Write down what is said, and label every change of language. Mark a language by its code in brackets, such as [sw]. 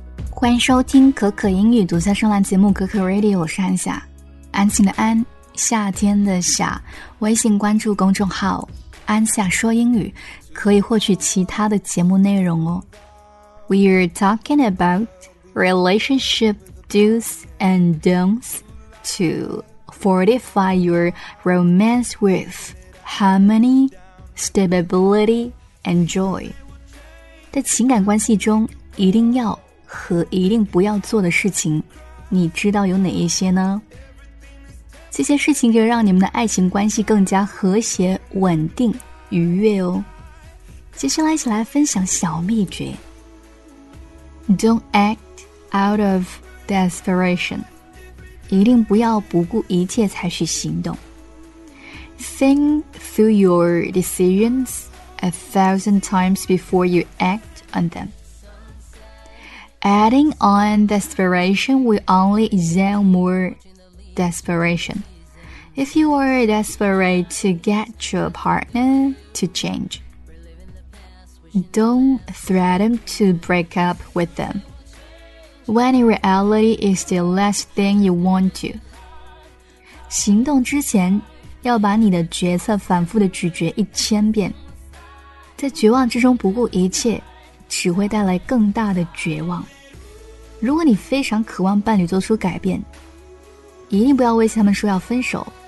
[zh] 欢迎收听可可英语独家声浪节目可可 Radio， 我是安夏，安静的安，夏天的夏。微信关注公众号安夏说英语，可以获取其他的节目内容哦。 [en] We're talking about relationship do's and don'ts to fortify your romance with harmony, stability and joy。 [zh] 在情感关系中一定要和一定不要做的事情，你知道有哪一些呢？这些事情可以让你们的爱情关系更加和谐、稳定、愉悦哦。接下来一起来分享小秘诀。 [en] Don't act out of desperation， [zh] 一定不要不顾一切采取行动。 [en] Think through your decisions 1,000 times before you act on them。 Adding on desperation will only exhale more desperation. If you are desperate to get your partner to change, don't threaten to break up with them, when in reality it's the last thing you want to. [zh] 行动之前要把你的决策反复地咀嚼1000遍，在绝望之中不顾一切只会带来更大的绝望。如果你非常渴望伴侣做出改变，一定不要威胁他们说要分手。